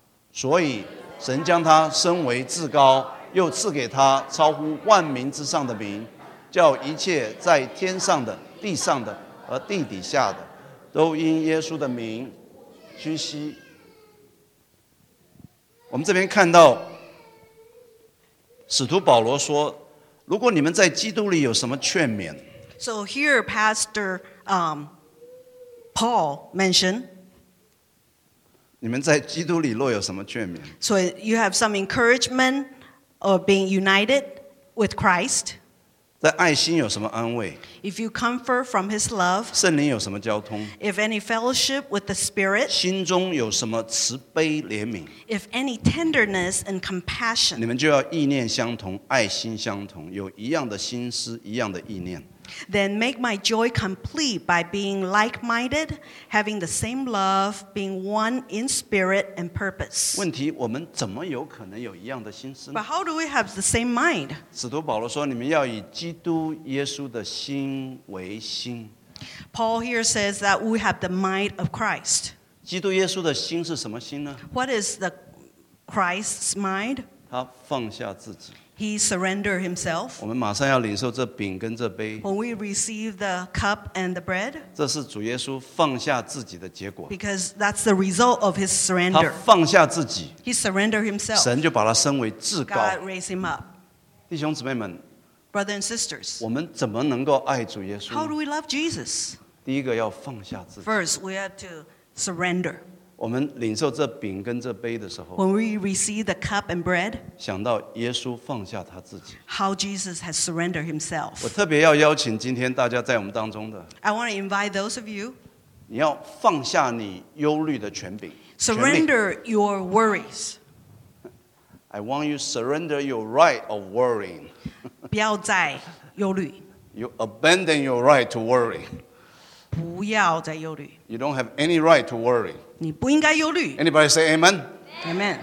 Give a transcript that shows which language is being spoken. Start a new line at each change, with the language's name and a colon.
Chinese: 所以神将他升为至高又赐给他超乎万民之上的名叫一切在天上的地上的和地底下的都因耶稣的名屈膝我们这边看到使徒保罗说如果你们在基督里有什么劝勉
English: So here Pastor Paul mentioned
Chinese: 你们在基督里若有什么劝勉
English: So you have some encouragement of being united with Christ
Chinese: 在爱心有什么安慰
English: If you comfort from his love
Chinese: 圣灵有什么交通
English: If any fellowship with the spirit
Chinese: 心中有什么慈悲怜悯
English: If any tenderness and compassion
Chinese: 你们就要意念相同爱心相同有一样的心思一样的意念
English: Then make my joy complete by being like-minded having the same love being one in spirit and purpose
Chinese: 问题我们怎么有可能有一样的心思呢
English: But how do we have the same mind?
Chinese: 使徒保罗说你们要以基督耶稣的心为心
English: Paul here says that we have the mind of Christ
Chinese: 基督耶稣的心是什么心呢
English: What is the Christ's mind?
Chinese: 他放下自己
English: He surrendered himself.
Chinese: 我们马上要领受这饼跟这杯。
English: When we receive the cup and the bread,
Chinese: 这是主耶稣放下自己的结果。
English: Because that's the result of his surrender.
Chinese: 他放下自己。
English: He surrendered himself.
Chinese: 神就把他升为至高。
English: God raised him up.
Chinese: 弟兄姊妹们
English: ，Brothers and sisters,
Chinese: 我们怎么能够爱主耶稣
English: ？How do we love Jesus?
Chinese: 第一个要放下自己。
English: First, we have to surrender.
Chinese: 我们领受这饼跟这杯的时候
English: When we receive the cup and bread,
Chinese: 想到耶稣放下他自己
English: How Jesus has surrendered himself.
Chinese: 我特别要邀请今天大家在我们当中的
English: I want to invite those of you
Chinese: 你要放下你忧虑的权柄
English: Surrender your worries. I want you to surrender your right of worrying.
Chinese: 不要再忧虑
English: You abandon your right to worry.
Chinese: 不要再忧虑
English: You don't have any right to worry.
Chinese: 你不应该忧虑。
English: Anybody say amen? Amen.